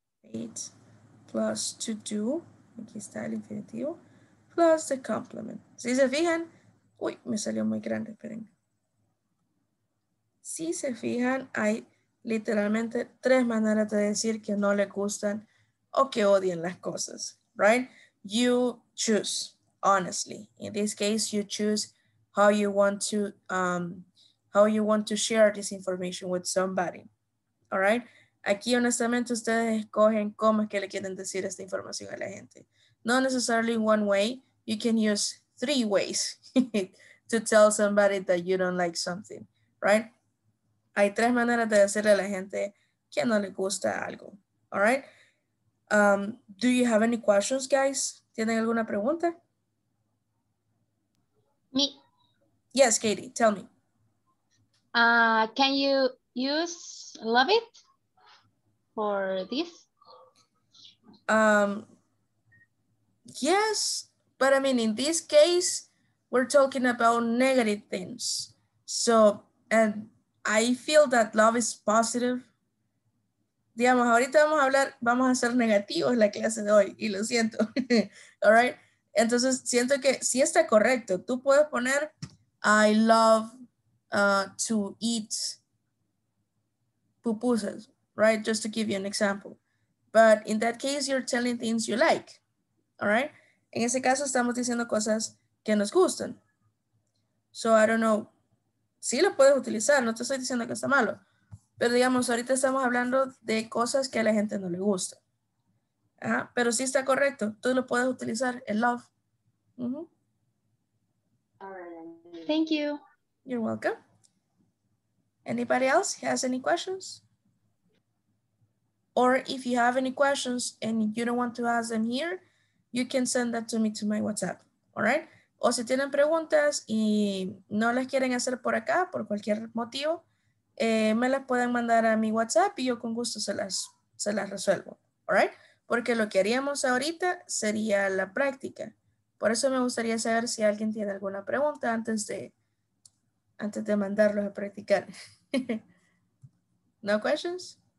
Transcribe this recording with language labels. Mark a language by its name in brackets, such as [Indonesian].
[English] Eight plus to do, [Spanish] aquí está el infinitivo, [English] plus the complement. [Spanish] Si se fijan, uy, me salió muy grande, esperen. Si se fijan, hay literalmente tres maneras de decir que no le gustan o que odian las cosas, right? [English] You choose, honestly. In this case, you choose how you want to share this information with somebody, all right? [Spanish] Aquí, honestamente, ustedes escogen cómo es que le quieren decir esta información a la gente. [English] Not necessarily one way. You can use three ways to tell somebody that you don't like something, right? [Spanish] Hay tres maneras de decirle a la gente que no le gusta algo, [English] all right? Do you have any questions, guys? [Spanish] ¿Tienen alguna pregunta? [English] Me. Yes, Katie, tell me. Can you use love it? For this? Yes, but I mean, in this case, we're talking about negative things. So, and I feel that love is positive. [Spanish] Digamos, ahorita vamos a hablar, vamos a ser negativos en la clase de hoy, y lo siento. [English] All right? [Spanish] Entonces, siento que si está correcto, tú puedes poner, [English] I love to eat pupusas. Right, just to give you an example. But in that case, you're telling things you like. All right? [Spanish] En ese caso, estamos diciendo cosas que nos gustan. [English] So I don't know. [Spanish] Sí lo puedes utilizar, no te estoy diciendo que está malo. Pero digamos, ahorita estamos hablando de cosas que a la gente no le gusta. Ajá, pero sí está correcto. Tú lo puedes utilizar, el love. Mm-hmm. [English] Thank you. You're welcome. Anybody else has any questions? Or if you have any questions and you don't want to ask them here, you can send that to me to my WhatsApp, all right? [Spanish] O si tienen preguntas y no las quieren hacer por acá, por cualquier motivo, me las pueden mandar a mi WhatsApp y yo con gusto se las resuelvo, [English] all right? [Spanish] Porque lo que haríamos ahorita sería la práctica. Por eso me gustaría saber si alguien tiene alguna pregunta antes de mandarlos a practicar. [English] No questions?